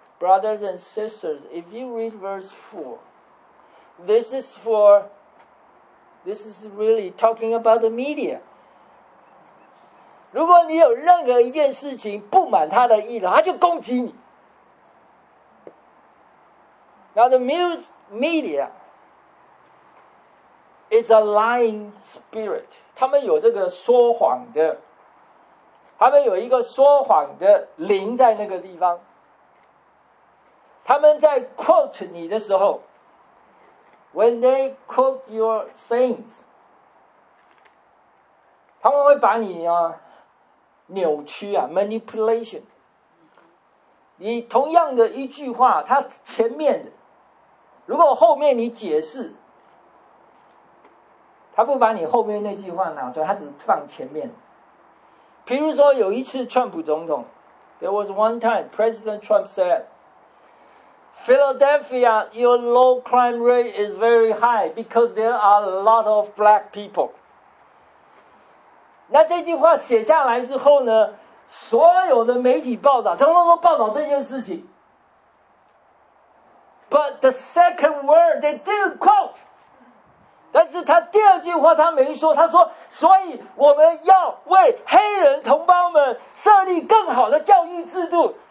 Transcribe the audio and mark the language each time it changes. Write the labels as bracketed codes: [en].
[en] Brothers and sisters, if you read verse 4, this is really talking about the media. [zh] 如果你有任何一件事情不满他的意了，他就攻击你。 [en] Now the media is a lying spirit. [zh] 他们有这个说谎的，他们有一个说谎的灵在那个地方。他们在 quote 你的时候， [en] when they quote your sayings， [zh] 他们会把你啊扭曲啊 manipulation。你同样的一句话，他前面的，如果后面你解释，他不把你后面那句话拿出来，他只放前面。譬如说有一次川普总统， [en] There was one time President Trump said Philadelphia, your low crime rate is very high because there are a lot of black people. [zh] 那这句话写下来之后呢，所有的媒体报道通通都报道这件事情。 [en] But the second word they didn't quote. [zh] 但是他第二句话他没说，他说所以我们要为黑人同胞们设立更好的教育制度。